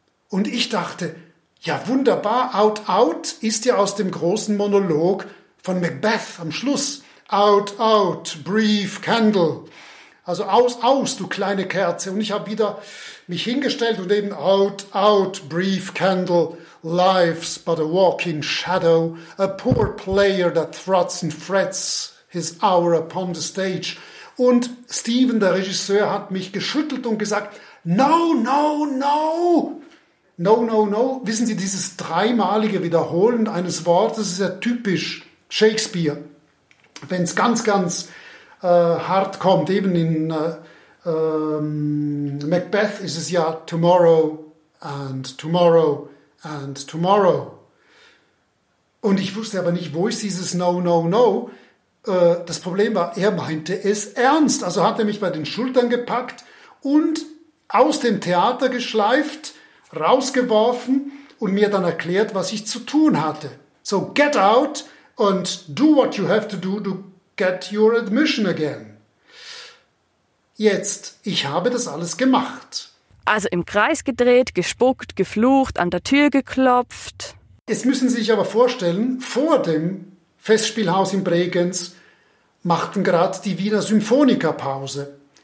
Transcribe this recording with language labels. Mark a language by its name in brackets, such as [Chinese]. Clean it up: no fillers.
[German] Und ich dachte, ja wunderbar, [English] out, out [German] ist ja aus dem großen Monolog von Macbeth am Schluss. [English] Out, out, brief candle. [German] Also aus, aus, du kleine Kerze. Und ich habe wieder mich hingestellt und eben [English] out, out, brief candle. Life's but a walking shadow. A poor player that struts and frets his hour upon the stage. [German] Und Steven, der Regisseur, hat mich geschüttelt und gesagt, [English] no, no, no. No, no, no. [German] Wissen Sie, dieses dreimalige Wiederholen eines Wortes ist ja typisch Shakespeare. Wenn es ganz, ganz hart kommt, eben in Macbeth ist es ja [English] tomorrow and tomorrow and tomorrow. [German] Und ich wusste aber nicht, wo ist dieses [English] no, no, no. [German] Das Problem war, er meinte es ernst. Also hat er mich bei den Schultern gepackt und aus dem Theater geschleift, rausgeworfen und mir dann erklärt, was ich zu tun hatte. [English] So get out and do what you have to do to get your admission again. [German] Jetzt, ich habe das alles gemacht. Also im Kreis gedreht, gespuckt, geflucht, an der Tür geklopft. Jetzt müssen Sie sich aber vorstellen, vor dem Festspielhaus in Bregenz machten gerade die Wiener Symphoniker Pause.